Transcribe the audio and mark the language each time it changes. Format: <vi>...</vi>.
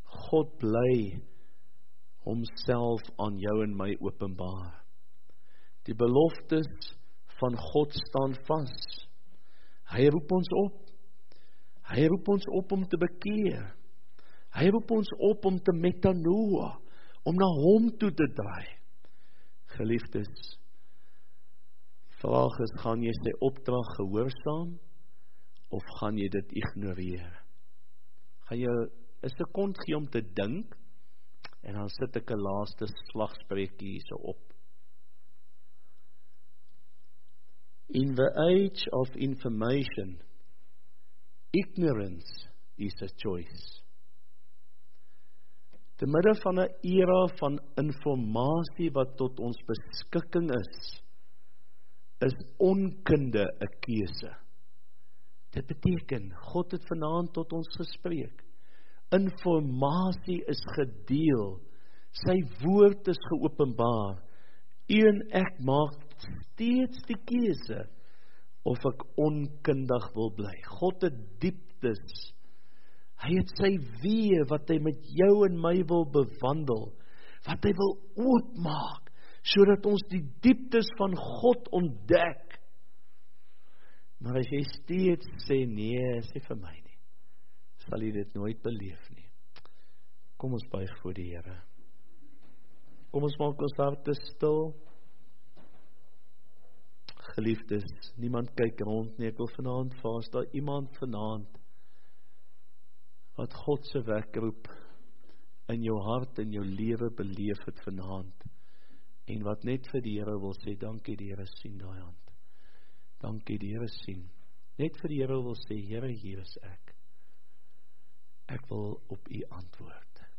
<af>God bly homself aan jou en my openbaar. Die beloftes van God staan vas. Hy roep ons op. Hy roep ons op om te bekeer. Hy roep ons op om te metanoa, om na hom toe te draai. Geliefdes, vraag is, gaan jy sy opdrag gehoorsaam of gaan jy dit ignoreer? Gaan jy 'n sekond gee om te dink en dan sit ek 'n laaste slagspreekie hierso op.</af> <en>In the age of information, ignorance is a choice.</en> <af>Te midde van 'n era van informatie wat tot ons beskikking is, is onkunde 'n keuse. Dit beteken, God het vanaand tot ons gespreek. Informatie is gedeel, sy woord is geopenbaar. U en ek maak steeds die keuse of ek onkundig wil bly. God het dieptes, hy het sy weë wat hy met jou en my wil bewandel. wat hy wil oopmaak, sodat ons die dieptes van God ontdek. Maar as jy steeds sê, nee, sê vir my nie, sal jy dit nooit beleef nie. Kom ons buig voor die Here. Kom ons maak ons harte stil. Geliefdes, niemand kyk rond nie, ek wil vanavond vas, daar iemand vanavond wat Godse wekroep in jou hart en jou lewe beleef het vanavond en wat net vir die Here wil sê, dankie die Here sien daai hand, dankie die Here sien, net vir die Here wil sê, Here, hier is ek, ek wil op u antwoord.</af>